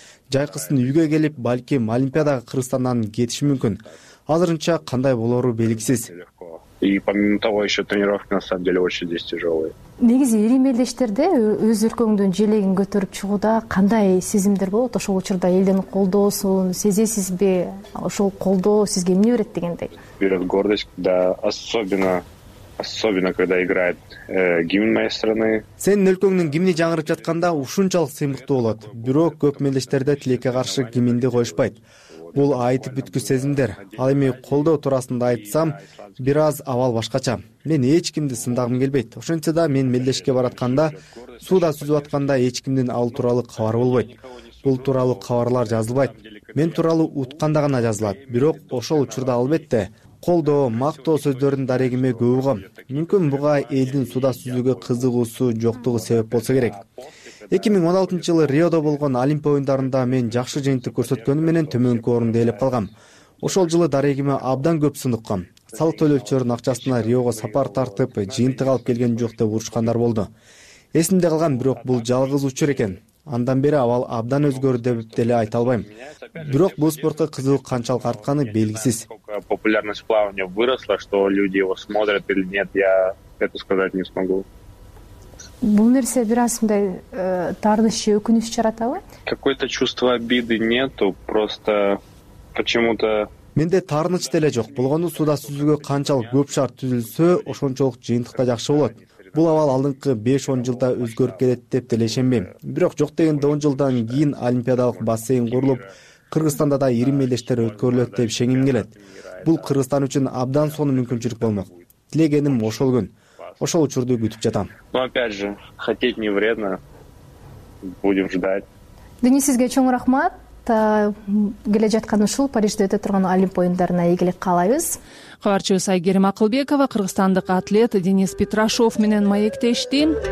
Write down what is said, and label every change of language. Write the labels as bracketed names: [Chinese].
[Kyrgyz] Жайкысын үйгө келип, балким Олимпиадага Кыргызстандан кетиши мүмкүн. Азырынча кандай болору белгисиз. [Russian] И помимо того, еще тренировки на самом деле очень здесь тяжелые. [Kyrgyz] Негизи ирим элдештерде өз өлкөңдүн желегин көтөрүп чыгууда кандай сезимдер болот? Ошол учурда элдин колдоосун сезесизби? Ошол колдоо сизге эмне берет дегендей? [Russian] Берет гордость, когда особенно когда играет гимн моей страны. [Kyrgyz] Сенин өлкөңдүн гимни жаңырып жатканда ушунчалык сыймыктуу болот. Бирок көп мелдештерде тилекке каршы гимнди коюшпайт. Бул айтып бүткү сезимдер. Ал эми колдоо туурасында айтсам, бир аз абал башкача. Мен эч кимди сындагым келбейт. Ошентсе да мен мелдешке баратканда, сууда сүзүп атканда эч кимдин ал тууралуу кабары болбойт. Бул тууралуу кабарлар жазылбайт. Мен тууралуу утканда гана жазылат. Бирок ошол учурда албетте колдоо, мактоо сөздөрүн дарегиме көп угам. Мүмкүн буга элдин сууда сүзүүгө кызыгуусу жоктугу себеп болсо керек. 2016 жылы Риодо болгон Олимп оюндарында мен жакшы жыйынтык көрсөткөнүм менен төмөнкү орунду ээлеп калгам. Ошол жылы дарегиме абдан көп сыныккан. Салык төлөөчүлөрүнүн акчасына Риого сапар тартып, жыйынтык алып келген жок деп урушкандар болду. Эсимде калган, бирок бул жалгыз учур экен. Андан бери абал абдан өзгөрдү деп деле айта албайм. Бирок бул спортко кызыгуу канчалык артканы белгисиз. [Russian] Популярность плавания выросла, что люди его смотрят или нет, я это сказать не смогу. [Kyrgyz] Бул нерсе бир аз мындай таарыныч же өкүнүч жаратабы? [Russian] Какое-то чувство обиды нету, просто почему-то. [Kyrgyz] Менде таарыныч деле жок. Болгону сууда сүзүүгө канчалык көп шарт түзүлсө, ошончолук жыйынтык да жакшы болот. Бул абал алдыңкы 5-10 жылда өзгөрүп келет деп деле ишенбейм. Бирок жок дегенде 10 жылдан кийин олимпиадалык бассейн курулуп, Кыргызстанда да ирим мелдештер өткөрүлөт деп ишенгим келет. Бул Кыргызстан үчүн абдан сонун мүмкүнчүлүк болмок. Тилегеним ошол күн. Ошол учурду күтүп жатам. [Russian] Но опять же, хотеть не вредно. Будем ждать. [Kyrgyz] Денис, сизге чоң рахмат. Келе жаткан ушул Парижде өтө турган Олимп оюндарына ийгилик каалайбыз. Кабарчыбыз Айгерим Акылбекова, кыргызстандык атлет Денис Петрашов менен маектешти.